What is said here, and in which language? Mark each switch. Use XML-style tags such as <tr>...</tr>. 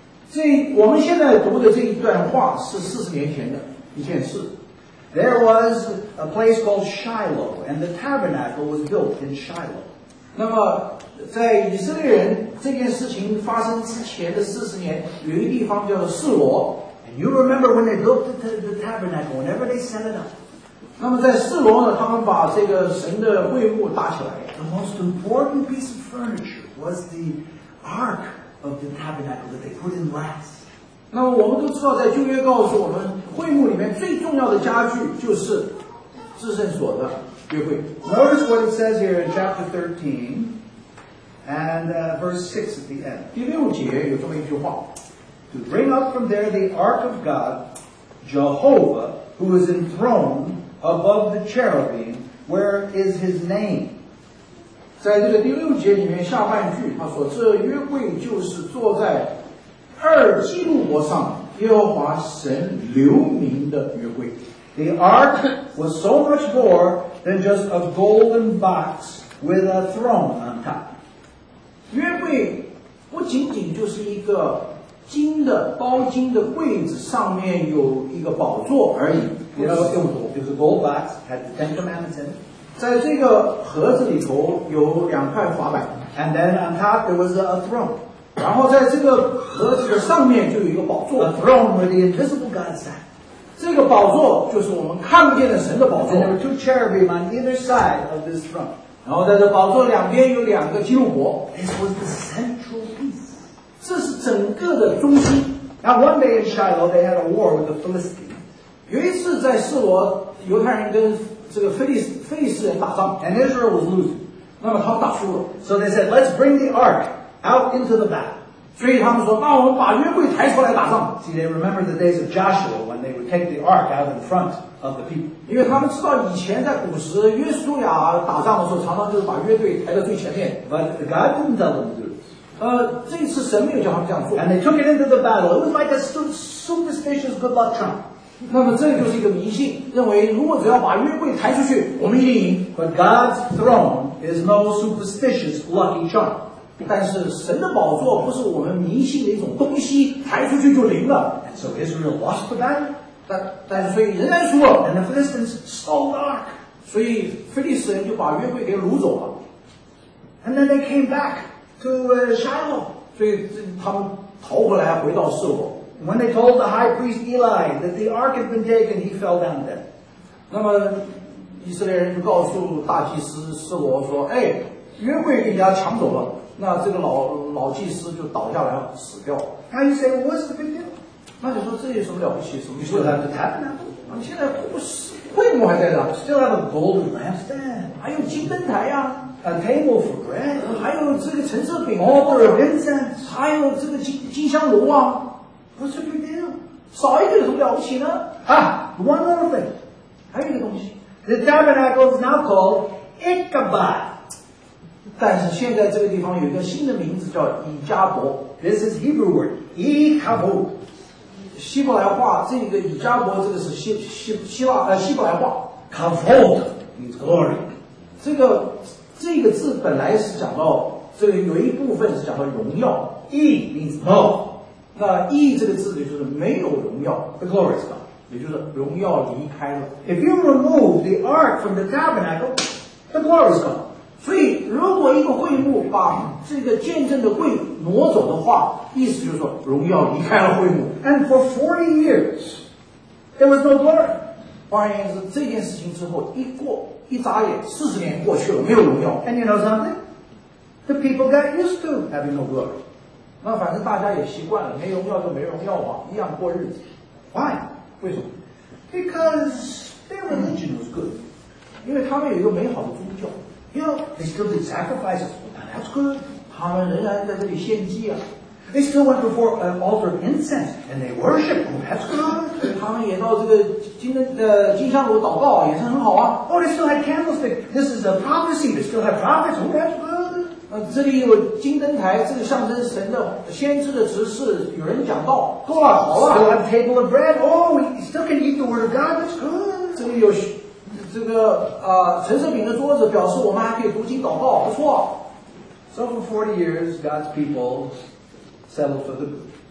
<zh>这我们现在读的这一段话是40年前的一件事。</zh> <en>There was a place called Shiloh, and the tabernacle was built in Shiloh.</en> <zh>那么在以色列人这件事情发生之前的40年，有一个地方叫做示罗。</zh> <en>And you remember when they built the tabernacle, whenever they set it up.</en> <zh>那么在示罗呢，他们把这个神的会幕搭起来。</zh> <en>The most important piece of furniture was the ark of the tabernacle that they put in last.</en> <zh>那么我们都知道，在旧约告诉我们，会幕里面最重要的家具就是至圣所的约柜。</zh> <en>Notice what it says here in chapter 13 and verse 6 at the end.</en> <zh>第六节有这么一句话</zh> <en>：To bring up from there the ark of God, Jehovah, who is enthroned. Above the cherubim, where is his name?</en> <zh>在这个第六节里面下半句，他说：“这约柜就是坐在二基路伯上耶和华神留名的约柜。”</zh> <en>The ark was so much more than just a golden box with a throne on top.</en> <zh>约柜不仅仅就是一个金的包金的柜子，上面有一个宝座而已。</zh> <en>It was a gold box, had the Ten Commandments in it.</en> <zh>在这个盒子里头有两块滑板。</zh> <en>And then on top there was a throne.</en> <zh>然后在这个盒子的上面就有一个宝座。</zh> <en>A throne where the invisible God sat.</en> <zh>这个宝座就是我们看不见的神的宝座。</zh> <en>And there were two cherubim on either side of this throne.</en> <zh>然后在这宝座两边有两个基路伯。</zh> <en>This was the central piece.</en> <zh>这是整个的中心。</zh> <en>Now one day in Shiloh they had a war with the Philistines.</en> <zh>有一次在示罗，犹太人跟这个非利士人打仗</zh> <en>，and Israel was losing，</en> <zh>那么他们打输了</zh> <en>，so they said let's bring the ark out into the battle，</en> <zh>所以他们说，那我们把约柜抬出来打仗。</zh> <en>See they remember the days of Joshua when they would take the ark out in front of the people，</en> <zh>因为他们知道以前在古时约书亚打仗的时候，常常就是把约柜抬到最前面。</zh> <en>But God didn't tell them to do it。</en> <zh>这一次神没有叫他们这样做。</zh> <en>And they took it into the battle. It was like a superstitious good luck charm。</en> <zh>那么这就是一个迷信，认为如果只要把约柜抬出去，我们一定赢。</zh> <en>But God's throne is no superstitious lucky charm。</en> <zh>但是神的宝座不是我们迷信的一种东西，抬出去就灵了。</zh> <en>And so Israel lost the battle。</en> <zh>但是所以仍然输了。</zh> <en>And the Philistines stole the ark。</en> <zh>所以非利士人就把约柜给掳走了。</zh> <en>And then they came back to Shiloh。</en> <zh>所以这他们逃回来回到示罗。</zh> <en>When they told the high priest Eli that the ark had been taken, he fell down dead.</en> <zh>那么以色列人就告诉大祭司示罗说，哎，约柜给人家抢走了，那这个老祭司就倒下来了，死掉了。</zh> <en>Now you say, well, what's the big deal?</en> <zh>那你说这有什么了不起？什么意思？</zh> <en>You still have the tabernacle.</en> <zh>那你现在会幕还在那？</zh> <en>Still have a golden lampstand.</en> <zh>还有金灯台啊。</zh> <en>A table for bread.</en> <zh>还有这个陈设饼。</zh> <en>Altar of incense.</en> <zh>还有这个金香炉啊。</zh> <en>What's the big deal?</en> <zh>少一个有什么了不起呢？</zh> <en>One more thing.</en> <zh>还有一个东西。</zh> <en>The tabernacle is now called Ichabod.</en> <zh>但是现在这个地方有一个新的名字叫以加伯。</zh> <en>This is Hebrew word, Ichabod.</en> <zh>希伯来话，这个以加伯这个是希伯来话。</zh> <en>Kavod means glory.</en> <zh>这个字本来是讲到，这个有一部分是讲到荣耀。</zh> <en>E means no.</en> <zh>那义这个字也就是没有荣耀</zh> <en>，the glory is gone，</en> <zh>也就是荣耀离开了。</zh> <en>If you remove the ark from the tabernacle, the glory is gone。</en> <zh>所以，如果一个会幕把这个见证的柜挪走的话，意思就是说荣耀离开了会幕。</zh> <en>And for 40 years, there was no glory。</en> <zh>换言之，这件事情之后一眨眼40年过去了，没有荣耀。</zh> <en>And you know something? The people got used to having no glory。</en> <zh>那反正大家也习惯了，没荣耀就没荣耀嘛，一样过日子。</zh> <en>Why？</en> <zh>为什么</zh> <en>？Because their religion was good，</en> <zh>因为他们有一个美好的宗教。</zh> <en>You know they still did sacrifices， that's good。</en> <zh>他们仍然在这里献祭啊。</zh> <en>They still went before an altar of incense and they worship， that's good。</en> <zh>他们也到这个金香炉祷告，也是很好啊。</zh> <en>Oh， they still had candlestick， this is a prophecy， they still have prophets， that's good。</en> <zh>这里有金灯台，这个象征神的先知的执事，有人讲道，多了好了。</zh> <en>Still have table of bread. Oh, we still can eat the word of God. That's good.</en> <zh>这里有这个陈设饼的桌子，表示我们还可以读经祷告，不错。</zh> <en>So for 40 years, God's people settled for the good.</en>